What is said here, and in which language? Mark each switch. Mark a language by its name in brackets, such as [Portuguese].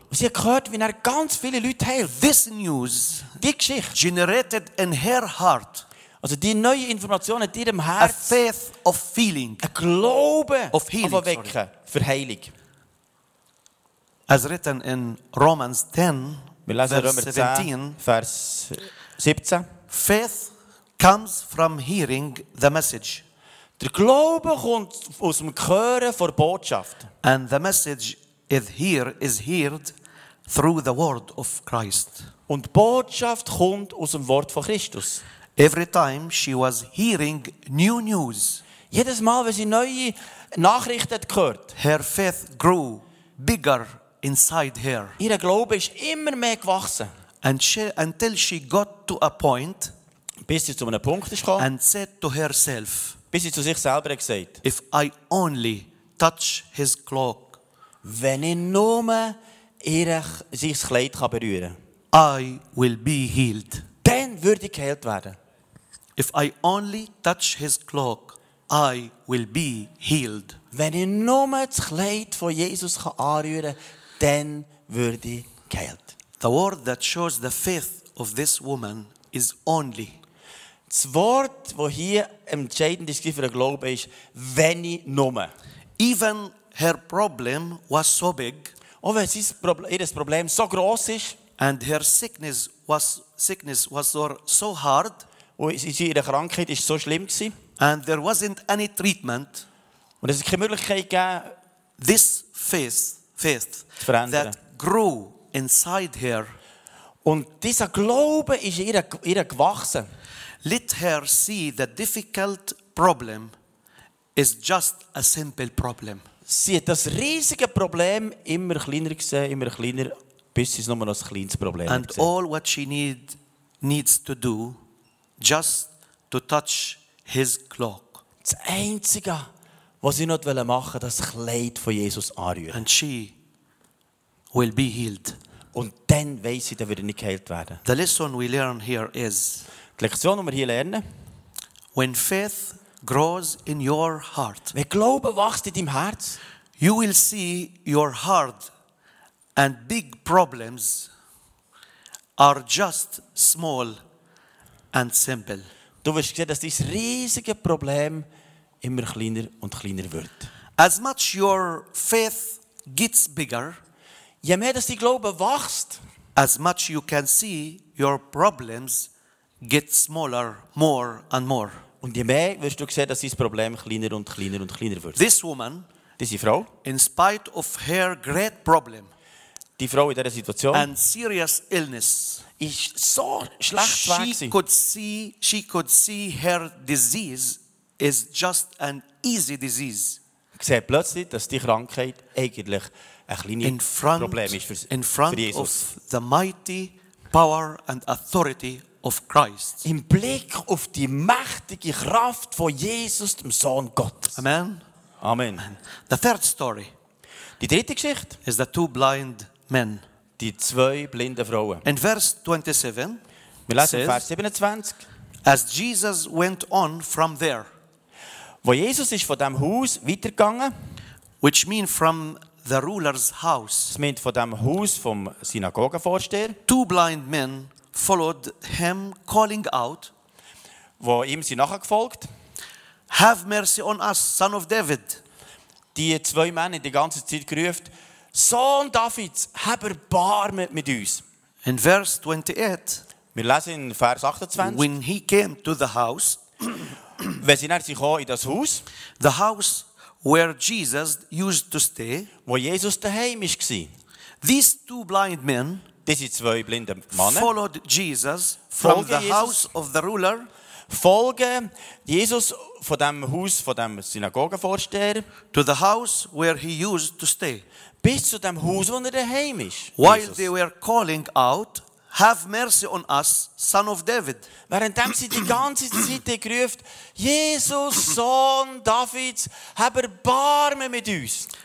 [German] Und sie hat gehört, wie er ganz viele Leute heilt. [English] This news [German] die Geschichte [English] generated in her heart [German] Also die neue Information in deinem Herz. [English] A faith of feeling. [German] Ein Glaube [English] of healing, [German] auf Erwecken, sorry, für Heilung. [English] As written in Romans 10, [German] Vers 17. [English] Faith comes from hearing the message. [German] Der Glaube kommt aus dem Hören von Botschaft. [English] And the message is heard through the word of Christ. [German] Und Botschaft kommt aus dem Wort von Christus. [English] Every time she was hearing new news. [German] Jedes Mal, wenn sie neue Nachrichten gehört. [English] Her faith grew bigger inside her. [German] Ihr Glaube ist immer mehr gewachsen. [English] And she, until she got to a point. [German] Bis sie zu einem Punkt ist gekommen. [English] And said to herself. [German] Bis sie zu sich selber gesagt. [English] If I only touch his cloak. [German] Wenn ich nur ihr Kleid kann berühren. [English] I will be healed. [German] Dann würde ich geheilt werden. [English] If I only touch his cloak, I will be healed. [German] Wenn ich nur das Kleid von Jesus anrühren kann, dann würde ich geheilt. [English] The word that shows the faith of this woman is only. [German] Das Wort, das hier entscheidend ist für den Glauben, ist, wenn ich nur. [English] Even her problem was so big. [German] Auch wenn ihr Problem so gross ist. [English] And her sickness was so hard. [German] Ihre Krankheit ist so schlimm gsi. [English] And there wasn't any treatment. [German] Und es hat keine Möglichkeit gegeben, [English] this faith [German] verändern. [English] That grew inside her. [German] Und dieser Glaube ist ihr gewachsen. [English] Let her see the difficult problem is just a simple problem. [German] Sie hat das riesige Problem immer kleiner gesehen, immer kleiner. Bis es nur noch ein kleines Problem. And gesehen. [English] All what she needs to do, just to touch his cloak. [German] Das Einzige, was sie noch machen wollte, das Kleid von Jesus anrühren. [English] And she will be healed. [German] Und dann weiss sie, dann wird nicht geheilt werden. [English] The lesson we learn here is, [German] die Lektion, die wir hier lernen, [English] when faith grows in your heart, [German] wenn Glaube wächst in deinem Herz, [English] you will see your heart and big problems are just small and simple. [German] Du wirst sehen, dass dieses riesige Problem immer kleiner und kleiner wird. [English] As much your faith gets bigger, [German] je mehr dass die Glaube wächst, [English] as much you can see your problems get smaller, more and more. [German] Und je mehr wirst du sehen, dass dieses Problem kleiner und kleiner und kleiner wird. [English] This woman, [German] diese Frau, [English] in spite of her great problem, [German] die Frau in dieser Situation. [English] And serious illness. [German] Ist so schlecht gewesen. [English] She could see her disease is just an easy disease. [German] Sie sieht plötzlich, dass die Krankheit eigentlich ein kleines Problem ist für Jesus. [English] In front of the mighty power and authority of Christ. [German] Im Blick auf die mächtige Kraft von Jesus, dem Sohn Gottes. Amen. Amen. Amen. [English] The third story. [German] Die dritte Geschichte. [English] Is the two blind men. [German] Die zwei blinde Frauen. [English] In verse 27. [German] Wir lesen says, Vers 27. [English] As Jesus went on from there. [German] Wo Jesus ist von dem Haus weitergegangen. [English] Which means from the ruler's house. [German] Das meint von dem Haus vom Synagogenvorsteher. [English] Two blind men followed him calling out. [German] Wo ihm sie nachher gefolgt. [English] Have mercy on us, son of David. [German] Die zwei Männer die ganze Zeit gerufen. Sohn Davids, hab Erbarmen mit uns. [English] In verse 28, [German] wir lesen in Vers 28, [English] when he came to the house, [German] wenn sie nachher kam in das Haus, [English] the house where Jesus used to stay, [German] wo Jesus daheim ist gsi, [English] these two blind men, [German] diese zwei blinde Männer, [English] followed Jesus from the house of the ruler, [German] folgen Jesus von dem Haus, von dem Synagogenvorsteher, [English] to the house where he used to stay. [German] Bis zu dem Haus, wo er daheim ist. [English] While they were calling out, have mercy on us, son of David. [German] Während sie die ganze Zeit gerufen, Jesus, Sohn Davids, hab Erbarmen mit uns.